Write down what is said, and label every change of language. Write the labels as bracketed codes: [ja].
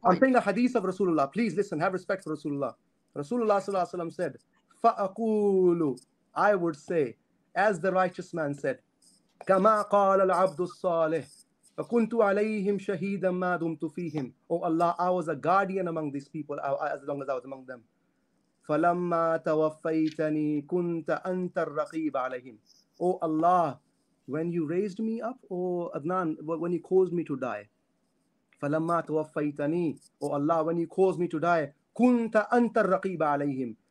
[en] I'm saying a hadith of Rasulullah. Please listen, have respect for Rasulullah. Rasulullah sallallahu alayhi wa sallam said, fa'akulu, I would say, as the righteous man said, [ar] كما قال العبد الصالح فكنت عليهم شهيدا ما دمت فيهم. [en] Oh Allah, I was a guardian among these people as long as I was among them. [ar] فلما توفيتني كنت أنت الرقيب عليهم. [en] Oh Allah, when you raised me up, oh Adnan, when you caused me to die. [ar] فلما توفيتني, [en] oh Allah, when you caused me to die, [ar] كنت أنت الرقيب عليهم.